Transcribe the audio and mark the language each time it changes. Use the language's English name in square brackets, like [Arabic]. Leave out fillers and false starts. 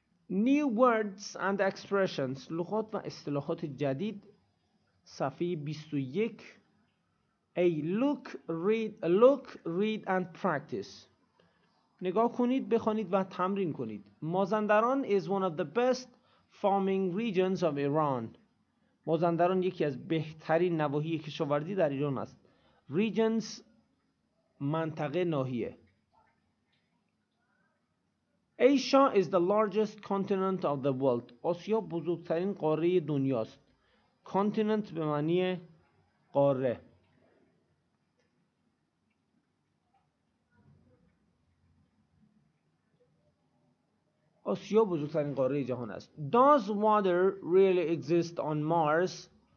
[English] New words and expressions، [Persian] لغات و اصطلاحات جدید، صفحه 21. [English] A look, read, look, read and practice. [Persian] نگاه کنید، بخوانید و تمرین کنید. [English] Mazandaran is one of the best farming regions of Iran. [Persian] مازندران یکی از بهترین نواحی کشاورزی در ایران است. Regions منطقه، ناحیه. [English] Asia is the largest continent of the world. [Persian] آسیا بزرگترین قاره دنیاست. Continent به معنی قاره. آسیا بزرگترین قاره جهان است. [English] Does water really exist on Mars?